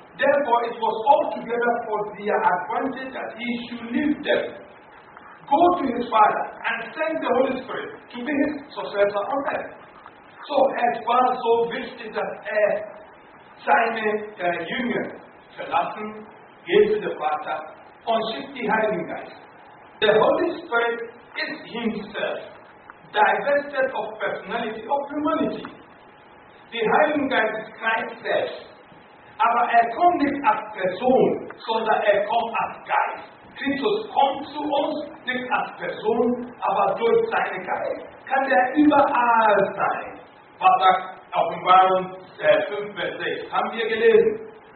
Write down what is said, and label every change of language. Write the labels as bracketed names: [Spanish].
[English] Therefore, it was altogether for their advantage that he should leave them. Go to his Father and send the Holy Spirit to be his successor on earth. [German] So es war so wichtig, dass seine Jünger verlassen, geht zu dem Vater und schickt die Heiligen Geist. [English] The Holy Spirit is himself divested of personality of humanity. [German] The Heiligen Geist [English] is [German] Christ selbst. Aber kommt nicht als Person, sondern kommt als Geist. Christus kommt zu uns, nicht als Person, aber durch seine Geist. Kann er überall sein? Was sagt Offenbarung 5, Vers 6? Haben wir gelesen.